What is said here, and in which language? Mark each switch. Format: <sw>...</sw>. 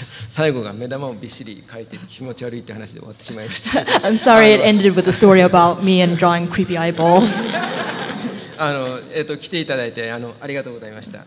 <ja>最後が目玉をびっしり描いてて気持ち悪いって話で終わってしまいました。</ja> <en>I'm sorry it ended with a story about me and drawing creepy eyeballs.</en> <ja>来ていただいてありがとうございました。</ja>